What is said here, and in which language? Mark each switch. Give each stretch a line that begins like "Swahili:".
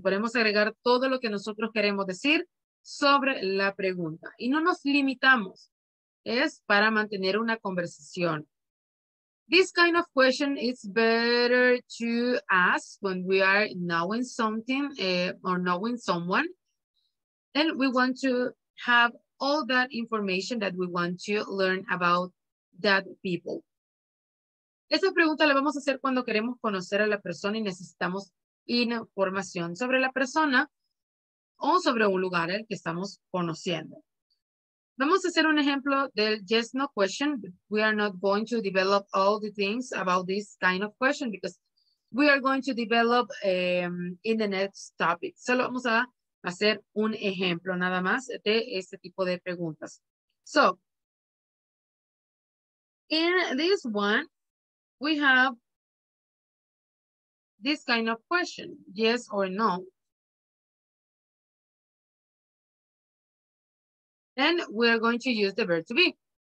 Spanish: Podemos agregar todo lo que nosotros queremos decir sobre la pregunta y no nos limitamos, es para mantener una conversación.
English: This kind of question is better to ask when we are knowing something or knowing someone and we want to have all that information that we want to learn about that people.
Spanish: Esa pregunta la vamos a hacer cuando queremos conocer a la persona y necesitamos información sobre la persona o sobre un lugar el que estamos conociendo. Vamos a hacer un ejemplo del yes, no question.
English: We are not going to develop all the things about this kind of question because we are going to develop in the next topic.
Spanish: Solo vamos a hacer un ejemplo nada más de este tipo de preguntas.
English: So, in this one, we have this kind of question, yes or no. Then we are going to use the verb to be.